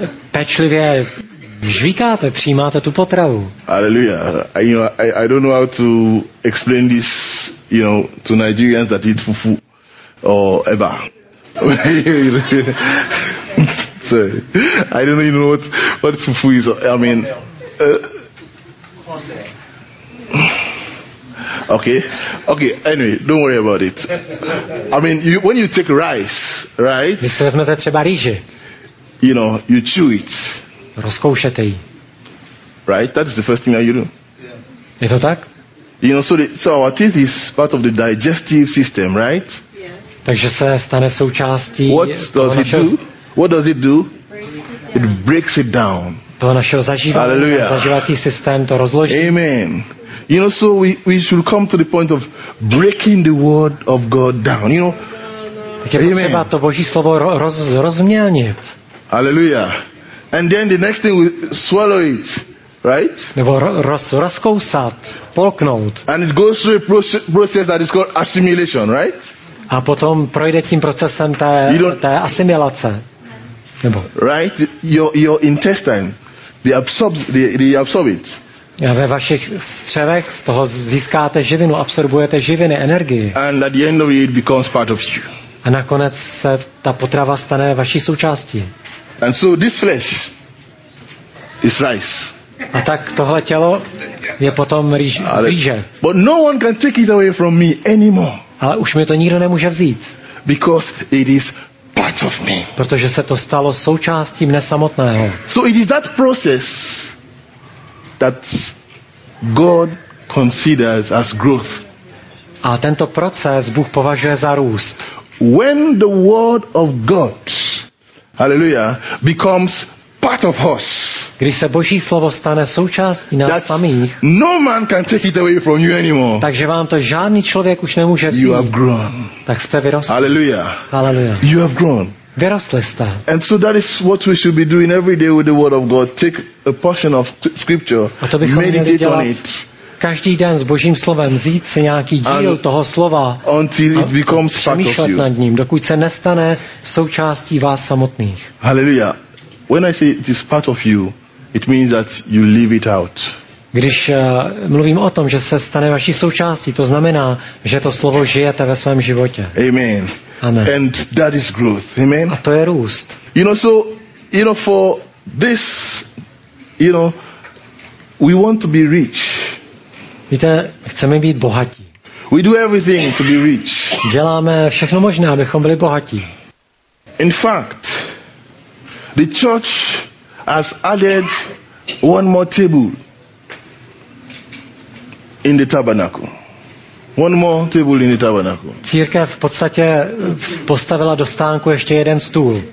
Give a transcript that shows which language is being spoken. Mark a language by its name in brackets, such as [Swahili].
[Czech] Pečlivě žvíkáte, přijímáte tu potravu. [English] Hallelujah. I don't know how to explain this, you know, to Nigerians that eat fufu or eba. Sorry. I don't even know what fufu is. I mean, Okay. Anyway, don't worry about it. I mean, when you take rice, right? [Czech] Když si vezmete třeba rýži. [English] You know, you chew it. [Czech] Rozkoušete ji. [English] Right? That is the first thing that you do. [Czech] Yeah. Je to tak? [English] You know, so our teeth is part of the digestive system, right? Yes. [Czech] Takže se stane součástí. [English] What does it [Czech] našeho... [English] do? What does it do? It breaks it down. [Czech] To našeho zažívací systém to rozloží. [English] Amen. You know, so we should come to the point of breaking the word of God down. You know. [Czech] Tak je potřeba to Boží slovo rozmělnit. [English] Hallelujah. And then the next thing we swallow it, right? [Czech] Nebo rozkousat, polknout. [English] And it goes through a process that is called assimilation, right? [Czech] A potom projde tím procesem té asimilace. Nebo [English] right? Your intestine they absorb it. [Czech] A ve vašich střevech z toho získáte živinu, absorbujete živiny, energii. [English] And at the end of it becomes part of you. [Czech] A nakonec se ta potrava stane vaší součástí. [English] And so this flesh is rice. [Czech] A tak tohle tělo je potom rýže. [English] But no one can take it away from me anymore. [Czech] Ale už mi to nikdo nemůže vzít. [English] Because it is part of me. [Czech] Protože se to stalo součástí mne samotného. [English] So it is that process that God considers as growth. [Czech] A tento proces Bůh považuje za růst. [English] When the word of God, hallelujah, becomes part of us. [Czech] Když se Boží slovo stane součástí nás samých, [English] no man can take it away from you anymore. [Czech] Takže vám to žádný člověk už nemůže vzít. [English] You have grown. [Czech] Tak jste vyrostli. [English] Hallelujah. Hallelujah. You have grown. [Czech] Vyrostli jste. [English] And so that is what we should be doing every day with the word of God. Take a portion of scripture, meditate on it, [Czech] každý den s Božím slovem vzít si nějaký díl toho slova [English] until it becomes [Czech] a přemýšlet nad ním, dokud se nestane součástí vás samotných. [English] Hallelujah. When I say it is part of you, it means that you live it out. [Czech] Když mluvím o tom, že se stane vaší součástí, to znamená, že to slovo žijete ve svém životě. [English] Amen. Amen. And that is growth. Amen. [Czech] A to je růst. [English] You know, so, you know, for this, you know, we want to be rich. [Czech] Víte, chceme být bohatí. [English] We do everything to be rich. [Czech] Děláme všechno možné, abychom byli bohatí. [English] In fact, the church has added one more table in the tabernacle. One more table in the tabernacle. [Czech] Církev v podstatě postavila do stánku ještě jeden stůl.